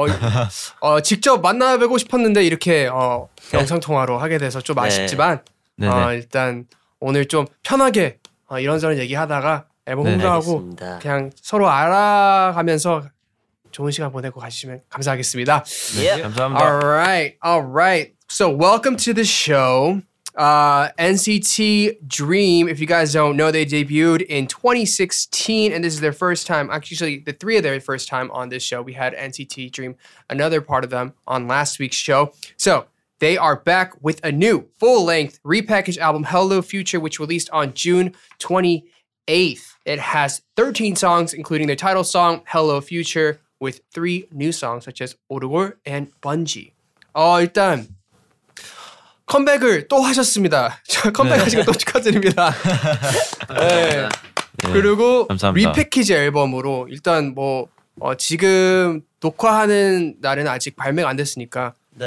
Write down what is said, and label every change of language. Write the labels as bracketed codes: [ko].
[ko] 네, 직접 만나 뵙고 싶었는데 이렇게 영상통화로 하게 돼서 좀 아쉽지만 네. 일단 오늘 좀 편하게 이런저런 얘기하다가 앨범 홍보하고 그냥 서로 알아가면서 좋은 시간 보내고 가시면 감사하겠습니다. 네, yep. 감사합니다. [en] Alright, alright. So welcome to the show. NCT Dream, if you guys don't know, they debuted in 2016 and this is their first time, actually the three of their first time on this show. We had NCT Dream, another part of them, on last week's show. So they are back with a new full-length repackaged album, Hello Future, which released on June 28th. It has 13 songs, including their title song, Hello Future, with three new songs, such as 오르골 and Bungee. [ko] 일단 컴백을 또 하셨습니다. 컴백하신 거 또 축하드립니다. 네. 그리고 감사합니다. 리패키지 앨범으로 일단 뭐 지금 녹화하는 날은 아직 발매가 안 됐으니까 네.